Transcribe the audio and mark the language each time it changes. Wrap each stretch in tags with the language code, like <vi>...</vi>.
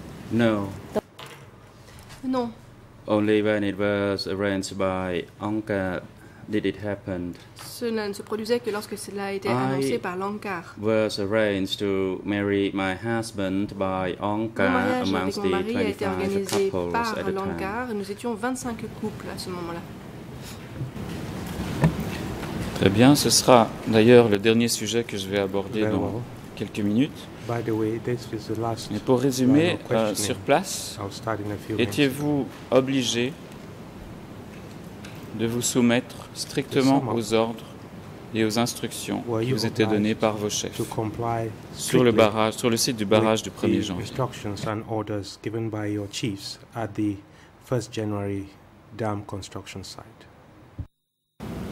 <en>Non. Only when it was arranged by ANCAR did it happen?</en> <fr>Cela ne se produisait que lorsque cela a été annoncé par Angkar.</fr> <en>I was arranged to marry my husband by Angkar amongst the 25 couples at the time.</en> <fr>Et nous étions 25 couples à ce moment-là. Très bien, ce sera d'ailleurs le dernier sujet que je vais aborder dans quelques minutes.</fr> <en>By the way, this is the last.</en> <fr>Mais pour résumer, sur place, étiez-vous obligé de vous soumettre strictement aux ordres et aux instructions qui vous étaient données par vos chefs sur le barrage, sur le site du barrage du 1er janvier.</fr> <en>Instructions and orders given by your chiefs at the 1st January dam construction site.</en>